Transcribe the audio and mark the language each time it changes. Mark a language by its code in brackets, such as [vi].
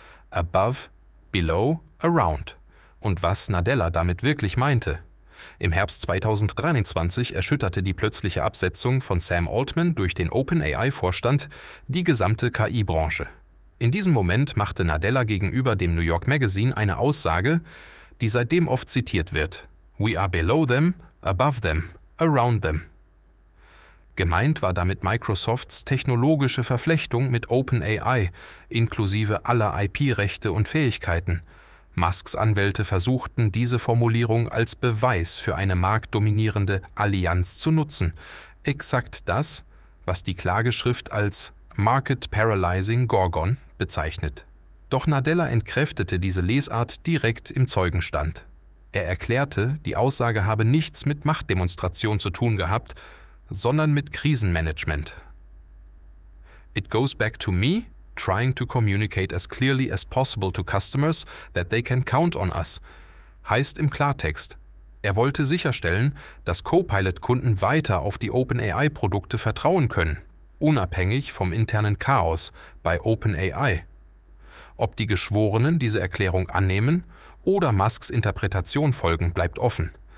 [en] Above, below, around. [de] Und was Nadella damit wirklich meinte. Im Herbst 2023 erschütterte die plötzliche Absetzung von Sam Altman durch den OpenAI-Vorstand die gesamte KI-Branche. In diesem Moment machte Nadella gegenüber dem New York Magazine eine Aussage, die seitdem oft zitiert wird. [en] We are below them, above them, around them. [de] Gemeint war damit Microsofts technologische Verflechtung mit OpenAI, inklusive aller IP-Rechte und Fähigkeiten. Musks Anwälte versuchten, diese Formulierung als Beweis für eine marktdominierende Allianz zu nutzen. Exakt das, was die Klageschrift als [en] Market Paralyzing Gorgon [de] bezeichnet. Doch Nadella entkräftete diese Lesart direkt im Zeugenstand. Er erklärte, die Aussage habe nichts mit Machtdemonstration zu tun gehabt, sondern mit Krisenmanagement. [en] It goes back to me, trying to communicate as clearly as possible to customers that they can count on us, [de] heißt im Klartext. Er wollte sicherstellen, dass Copilot-Kunden weiter auf die OpenAI-Produkte vertrauen können, unabhängig vom internen Chaos bei OpenAI. Ob die Geschworenen diese Erklärung annehmen oder Musks Interpretation folgen, bleibt offen.